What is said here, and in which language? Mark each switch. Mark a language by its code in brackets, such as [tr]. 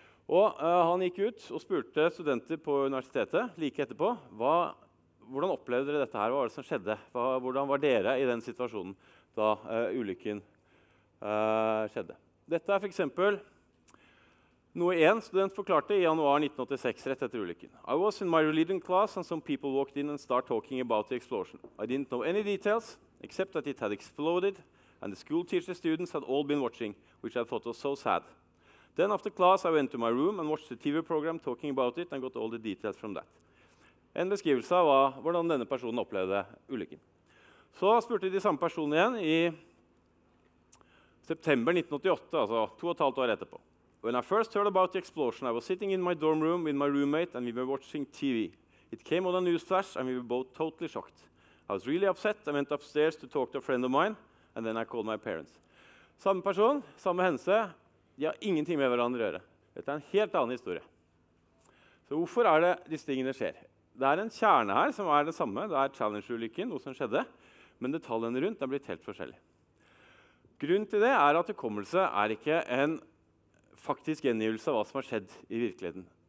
[no] Og han gikk ut og spurte studenter på universitetet like etterpå, hva, hvordan opplevde dere dette her? Hva var det som skjedde? Hva, hvordan var dere i den situasjonen da ulykken skjedde? Dette for eksempel noe en student forklarte i januar 1986 rett etter ulykken. [en] I was in my religion class and some people walked in and started talking about the explosion. I didn't know any details except that it had exploded and the school teacher students had all been watching, which I thought was so sad. Then after class, I went to my room and watched a TV program talking about it and got all the details from that. [no] En beskrivelse av hvordan denne personen opplevde ulykken. Så spurte de samme personen igjen i september 1988, altså 2,5 år etterpå. [en] When I first heard about the explosion, I was sitting in my dorm room with my roommate and we were watching TV. It came on a newsflash and we were both totally shocked. I was really upset and went upstairs to talk to a friend of mine and then I called my parents. [no] Samme person, samme hendelse. De har ingenting med hverandre å gjøre. Dette en helt annen historie. Så hvorfor er det disse tingene skjer? Det en kjerne her som det samme. Det Challenger-ulykken, noe som skjedde. Men detaljene rundt har blitt helt forskjellig. Grunnen til det at hukommelse ikke en faktisk gjengivelse av hva som har skjedd i virkeligheten.